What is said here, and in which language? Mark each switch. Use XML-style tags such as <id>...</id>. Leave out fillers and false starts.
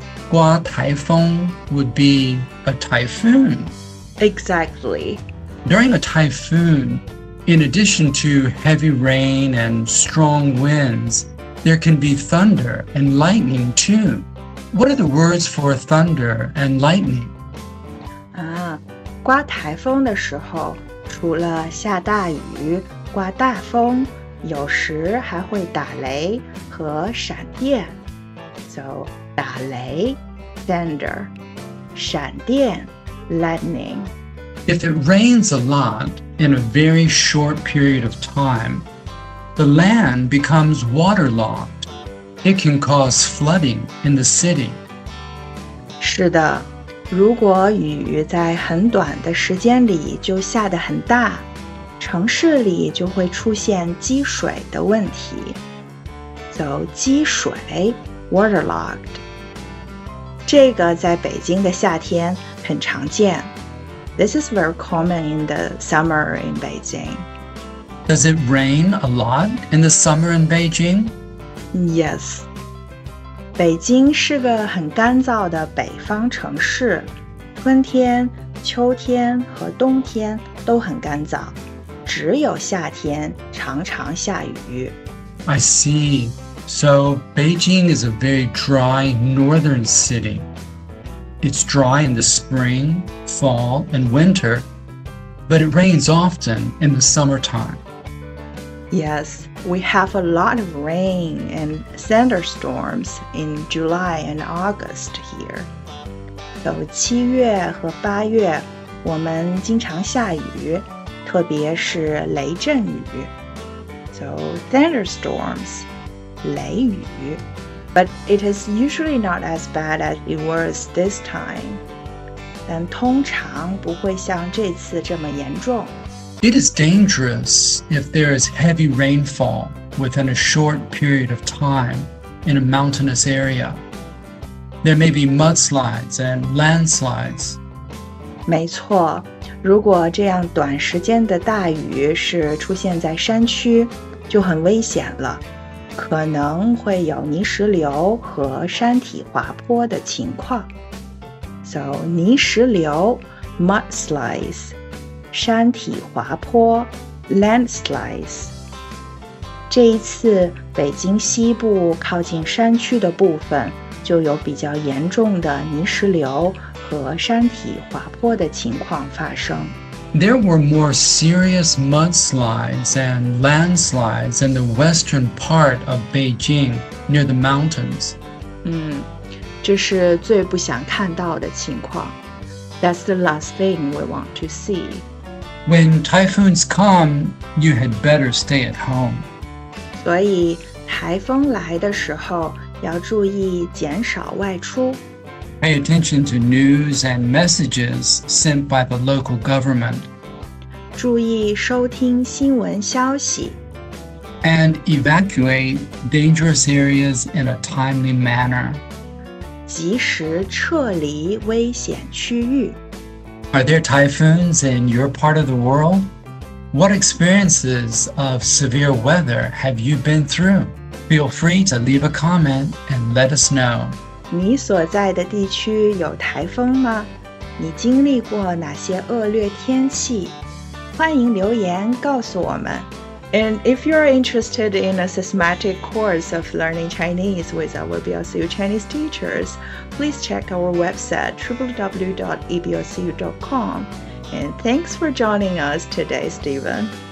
<zh>刮台风</zh> <en>would be a typhoon. Exactly. During a typhoon, in addition to heavy rain and strong winds, there can be thunder and lightning too. What are the words for thunder and lightning?</en> <zh>刮台风的时候，除了下大雨，刮大风，有时还会打雷和闪电。</zh> <en>So, 打雷。Thunder, 闪电, lightning. If it rains a lot in a very short period of time, the land becomes waterlogged. It can cause flooding in the city.</en> <zh>是的，如果雨在很短的时间里就下得很大，城市里就会出现积水的问题。 So, 积水 waterlogged. 这个在北京的夏天很常见。</zh> <en>This is very common in the summer in Beijing. Does it rain a lot in the summer in Beijing? Yes.</en> <zh>北京是个很干燥的北方城市，春天、秋天和冬天都很干燥，只有夏天常常下雨。</zh> <en>I see. So Beijing is a very dry northern city. It's dry in the spring, fall, and winter, but it rains often in the summertime. Yes, we have a lot of rain and thunderstorms in July and August here.</en> <zh>So, 七月和八月我们经常下雨，特别是雷阵雨。</zh> <en>So, thunderstorms, 雷雨。 But it is usually not as bad as it was this time.</en> <zh>但通常不会像这次这么严重。</zh> <en>It is dangerous if there is heavy rainfall within a short period of time in a mountainous area. There may be mudslides and landslides.</en> <zh>没错，如果这样短时间的大雨是出现在山区，就很危险了。可能会有泥石流和山体滑坡的情况。</zh> <en>So, 泥石流 mudslides, 山体滑坡 landslides.</en> <zh>这一次北京西部靠近山区的部分就有比较严重的泥石流和山体滑坡的情况发生。</zh> <en>There were more serious mudslides and landslides in the western part of Beijing, near the mountains.</en> <zh>这是最不想看到的情况。</zh> <en>That's the last thing we want to see. When typhoons come, you had better stay at home.</en> <zh>所以台风来的时候要注意减少外出。</zh> <en>Pay attention to news and messages sent by the local government.</en> <zh>注意收听新闻消息。</zh> <en>And evacuate dangerous areas in a timely manner.</en> <zh>及时撤离危险区域。</zh> <en>Are there typhoons in your part of the world? What experiences of severe weather have you been through? Feel free to leave a comment and let us know.</en> <zh>你所在的地区有台风吗？你经历过哪些恶劣天气？欢迎留言告诉我们。</zh> <en>And if you're interested in a systematic course of learning Chinese with our BLCU Chinese teachers, please check our website www.eblcu.com. And thanks for joining us today, Stephen.</en>